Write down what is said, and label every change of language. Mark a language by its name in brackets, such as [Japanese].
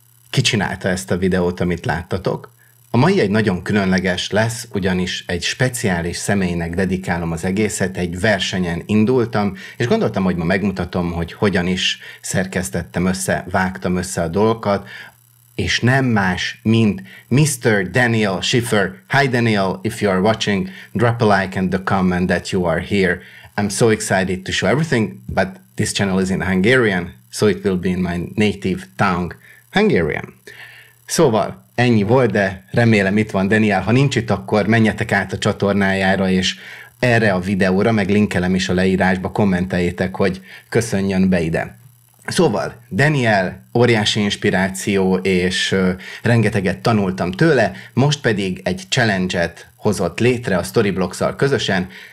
[Hungarian] Ki csinálta ezt a videót, amit láttatok? A mai egy nagyon különleges lesz, ugyanis egy speciális személynek dedikálom az egészet, egy versenyen indultam, és gondoltam, hogy ma megmutatom, hogy hogyan is szerkesztettem össze, vágtam össze a dolgokat, és nem más, mint Mr. Daniel Schiffer. [English] Hi Daniel, if you are watching, drop a like and a comment that you are here. I'm so excited to show everything, but this channel is in Hungarian, so it will be in my native tongue, Hungarian. [Hungarian] Szóval, ennyi volt, de remélem itt van Daniel. Ha nincs itt, akkor menjetek át a csatornájára, és erre a videóra, meg linkelem is a leírásba, kommenteljétek, hogy köszönjön be ide. Szóval, Daniel óriási inspiráció, és rengeteget tanultam tőle, most pedig egy challenge-et hozott létre a Storyblocks-szal közösen.